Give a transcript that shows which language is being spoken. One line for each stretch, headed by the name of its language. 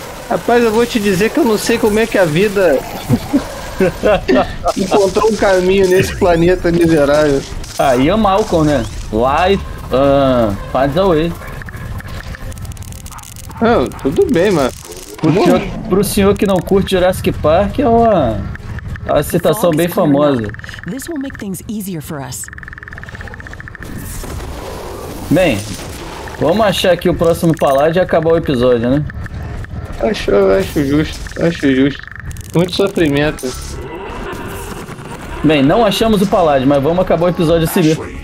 Portuguese: Rapaz, eu vou te dizer que eu não sei como é que a vida encontrou um caminho nesse planeta miserável. Aí é Malcolm, né? Lá Faz away. Ah, tudo bem, mas... Pro senhor que não curte Jurassic Park, é uma citação bem famosa.
English: This will make things easier for us.
Portuguese: Bem, vamos achar aqui o próximo paládio e acabar o episódio, né? Acho justo. Muito sofrimento. Bem, não achamos o paládio, mas vamos acabar o episódio a seguir.